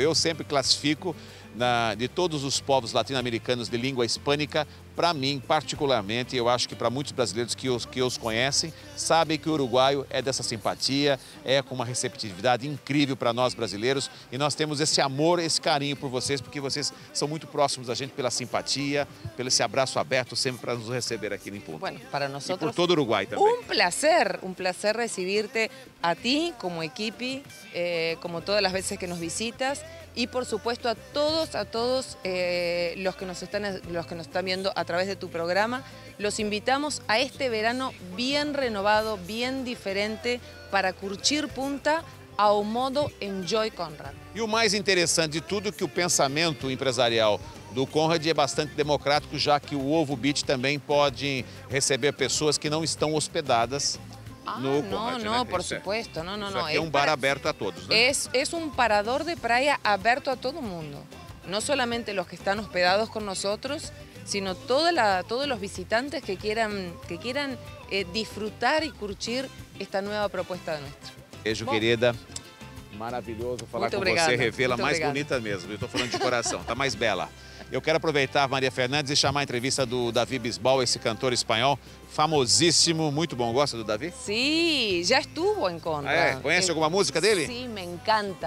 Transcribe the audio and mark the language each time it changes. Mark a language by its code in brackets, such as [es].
[pt] Eu sempre classifico, de todos os povos latino-americanos de língua hispânica, para mim, particularmente, eu acho que para muitos brasileiros que os conhecem, sabem que o uruguaio é dessa simpatia, é com uma receptividade incrível para nós brasileiros, e nós temos esse amor, esse carinho por vocês, porque vocês são muito próximos da gente pela simpatia, pelo esse abraço aberto sempre para nos receber aqui em Punta. [es] Bueno, para nosotros, [pt] e por todo o Uruguai também. [es] Um placer recibirte a ti [pt] como equipe, como todas as vezes [es] que nos visitas, e por supuesto a todos los que nos están viendo a través de tu programa. Los invitamos a este verano bien renovado, bien diferente, para curtir Punta [pt] ao modo [es] Enjoy Conrad. [pt] E o mais interessante de tudo é que o pensamento empresarial do Conrad é bastante democrático, já que o Ovo Beach também pode receber pessoas que não estão hospedadas. Não, [es] por supuesto. [pt] É um bar aberto a todos, né? [es] Es un parador de praia aberto a todo mundo. No solamente los que están hospedados con nosotros, sino todos los visitantes que quieran disfrutar y curtir esta nueva propuesta nuestra. [pt] Beijo, querida. Maravilhoso falar muito com obrigada. Você, revê-la mais bonita mesmo. Eu estou falando de coração, está mais bela. Eu quero aproveitar, Maria Fernandes, e chamar a entrevista do Davi Bisbal, esse cantor espanhol, famosíssimo, muito bom. Gosta do Davi? Sim, já estuvo em Conrad. Conhece alguma música dele? Sim, me encanta.